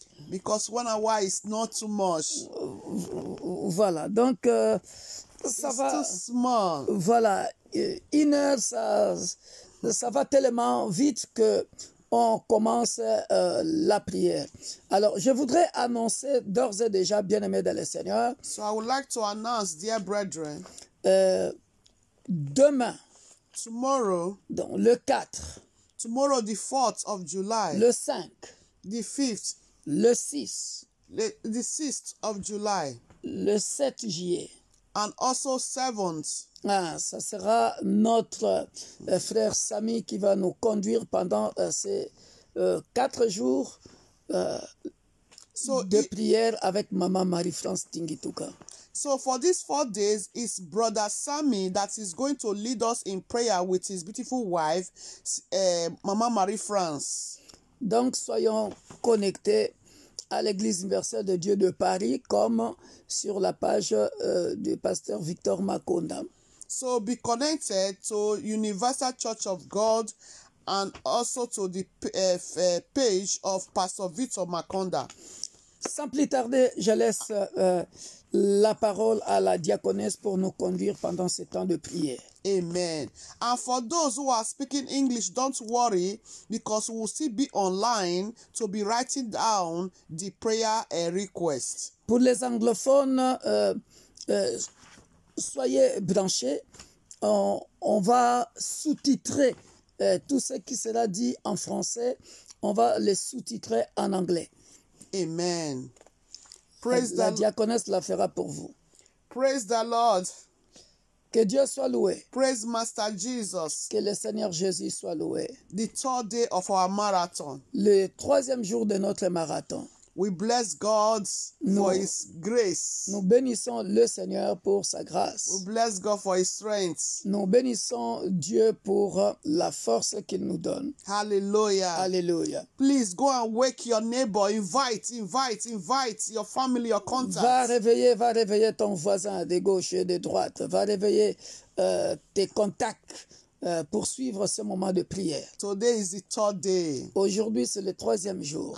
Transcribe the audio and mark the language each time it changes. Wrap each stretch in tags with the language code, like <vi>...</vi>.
<en>Because 1 hour is not too much.</en> <fr>Voilà, donc ça</fr> <en>it's</en> <fr>va.</fr> <en>Too small.</en> <fr>Voilà, 1 heure, ça va tellement vite que on commence la prière. Alors, je voudrais annoncer d'ores et déjà, bien-aimés dans le Seigneur.</fr> <en>So I would like to announce, dear brethren.</en> <fr>Demain.</fr> <en>Tomorrow.</en> <fr>Donc, le 4.</fr> <en>Tomorrow, the 4th of July.</en> <fr>Le 5.</fr> <en>The 5th.</en> <fr>Le 6.</fr> <en>The 6th of July.</en> <fr>Le 7 juillet.</fr> <en>And also 7th.</en> <fr>Ah, ça sera notre frère Samy qui va nous conduire pendant ces 4 jours de prière avec Maman Marie-France Tingituka.</fr> <en>So for these 4 days, it's Brother Sammy that is going to lead us in prayer with his beautiful wife, Maman Marie-France.</en> <fr>Donc soyons connectés à l'Église universelle de Dieu de Paris comme sur la page du pasteur Victor Makonda.</fr> <en>So be connected to Universal Church of God and also to the page of Pastor Victor Makonda.</en> <fr>Sans plus tarder, je laisse la parole à la diaconesse pour nous conduire pendant ce temps de prière. Amen.</fr> <en>And for those who are speaking English, don't worry because we'll still be online to be writing down the prayer request.</en> <fr>Pour les anglophones, soyez branchés, on va sous-titrer tout ce qui sera dit en français, on va les sous-titrer en anglais. Amen. La diaconesse la fera pour vous.</fr> <en>Praise the Lord.</en> <fr>Que Dieu soit loué.</fr> <en>Praise Master Jesus.</en> <fr>Que le Seigneur Jésus soit loué.</fr> <en>The third day of our marathon.</en> <fr>Le troisième jour de notre marathon.</fr> <en>We bless God for His grace.</en> <fr>Nous bénissons le Seigneur pour sa grâce.</fr> <en>We bless God for His strength.</en> <fr>Nous bénissons Dieu pour la force qu'il nous donne. Hallelujah. Hallelujah.</fr> <en>Please go and wake your neighbor. Invite your family, your contacts.</en> <fr>Va réveiller ton voisin de gauche et de droite. Va réveiller tes contacts. Poursuivre ce moment de prière.</fr> <en>Today is the third day.</en> <fr>Aujourd'hui, c'est le troisième jour.</fr>